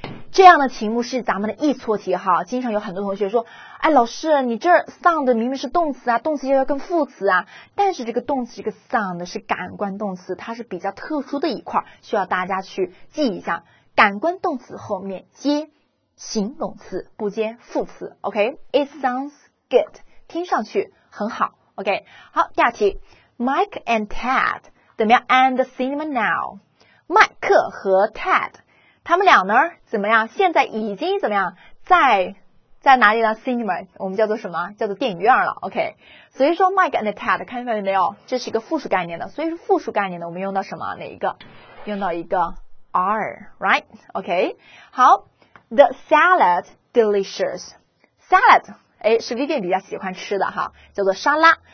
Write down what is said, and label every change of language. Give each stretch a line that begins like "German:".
Chinese: 这样的题目是咱们的易错题哈，经常有很多同学说，哎，老师你这 sound 明明是动词啊，动词又要跟副词啊，但是这个动词这个 sound 是感官动词，它是比较特殊的一块，需要大家去记一下，感官动词后面接形容词不接副词。
English: OK， It sounds good，
Chinese: 听上去很好。 OK， 好，第二题， Mike and Ted 怎么样，
English: and the cinema now，
Chinese: 麦克和 Ted 他们俩呢怎么样，现在已经怎么样，在哪里呢？ cinema 我们叫做什么，叫做电影院了。OK， 所以说 Mike and Ted 看出来没有，这是一个复数概念的，所以说复数概念的我们用到什么，哪一个，用到一个are， right， OK， 好，
English: the salad delicious，
Chinese: salad， 诶，是 Vivian 比较喜欢吃的哈，叫做沙拉。